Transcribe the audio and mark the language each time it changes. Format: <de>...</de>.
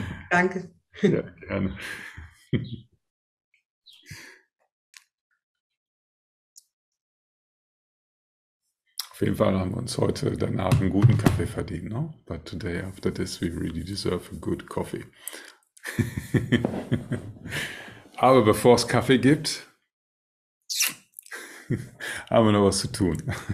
<de>Danke. Ja, gerne. Auf jeden Fall haben wir uns heute danach einen guten Kaffee verdient, ne?</de> <en>But today after this we really deserve a good coffee.</en> <de>Aber bevor es Kaffee gibt, haben wir noch was zu tun.</de>